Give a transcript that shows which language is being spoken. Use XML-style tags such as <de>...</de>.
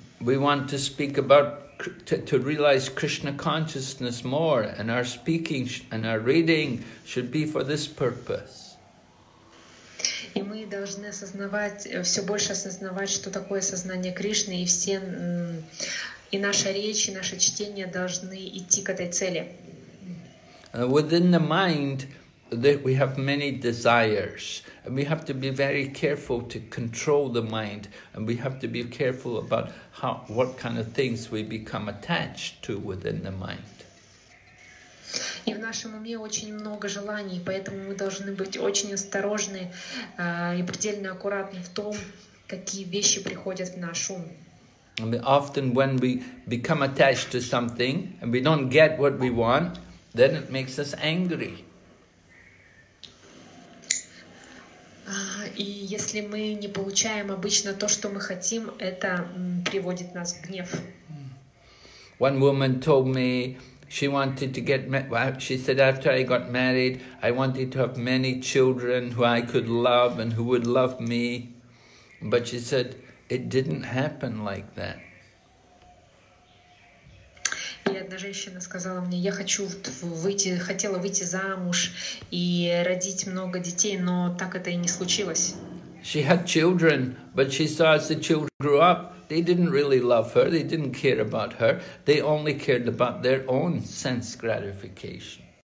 <en>we want to speak about to realize Krishna consciousness more, and our speaking and our reading should be for this purpose.</en> <ru>И мы должны осознавать, все больше осознавать, что такое сознание Кришны, и все, и наша речь, и наше чтение должны идти к этой цели.</ru> <en>Within the mind, we have many desires, and we have to be very careful to control the mind, and we have to be careful about how, what kind of things we become attached to within the mind.</en> <ru>И в нашем уме очень много желаний, поэтому мы должны быть очень осторожны и предельно аккуратны в том, какие вещи приходят в наш ум.</ru> <en>And often when we become attached to something and we don't get what we want, then it makes us angry.</en> <ru>И если мы не получаем обычно то, что мы хотим, это приводит нас в гнев.</ru> <en>One woman told me, she wanted to get married. She said, after I got married, I wanted to have many children who I could love and who would love me. But she said, it didn't happen like that.</en> <ru>И одна женщина сказала мне, я хочу выйти, хотела выйти замуж и родить много детей, но так это и не случилось.</ru> <en>She had children, but she saw as the children grew up, they didn't really love her, they didn't care about her, they only cared about their own sense gratification.</en>